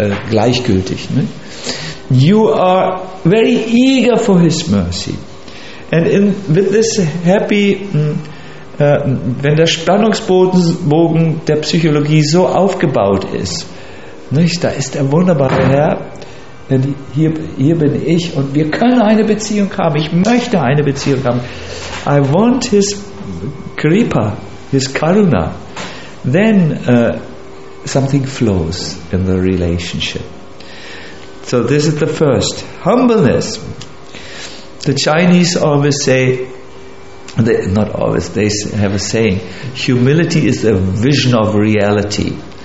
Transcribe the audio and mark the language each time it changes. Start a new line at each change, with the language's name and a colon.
German: Gleichgültig. Ne?
English: You are very eager for his mercy. And with this happy,
German: wenn der Spannungsbogen der Psychologie so aufgebaut ist, nicht, da ist der wunderbare Herr. Denn hier bin ich und wir können eine Beziehung haben. Ich möchte eine Beziehung haben.
English: I want his kripa, his karuna. Then something flows in the relationship. So this is the first. Humbleness. The Chinese always say, they have a saying, humility is a vision of reality.